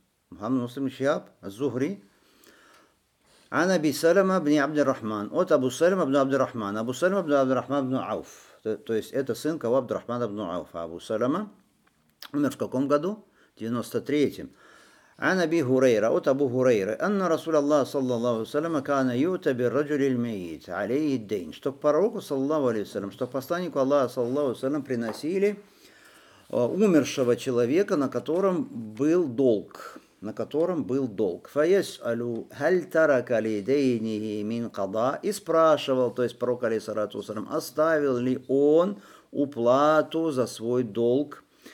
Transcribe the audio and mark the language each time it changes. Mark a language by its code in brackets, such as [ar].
[ru] Мухаммад Муслим Шихаб, Аз-Зухри, ан Аби Салама бн Абдур-Рахман, от Абу Салама бн Абдур-Рахман, Абу Салама бн Абдур-Рахман бн Ауф, то есть это сын кого Абдур-Рахмана бн Ауф, а Абу Салама умер в каком году? В 93-м. [ar] عن أبي هريرة أبو هريرة أن رسول الله صلى الله عليه وسلم كان يؤتى بالرجل الميت عليه الدين. [ru] Что к пророку [ar] صلى الله عليه وسلم, [ru] что к посланнику Аллаха صلى الله عليه وسلم приносили умершего человека, на котором был долг, на котором был долг. [ar] فَيَسْأَلُ هَلْ تَرَكَ لِدَيْنِهِ مِنْ قَضَى [ru] и спрашивал, то есть пророк алейхиссалату вассалям, оставил ли он уплату за свой долг.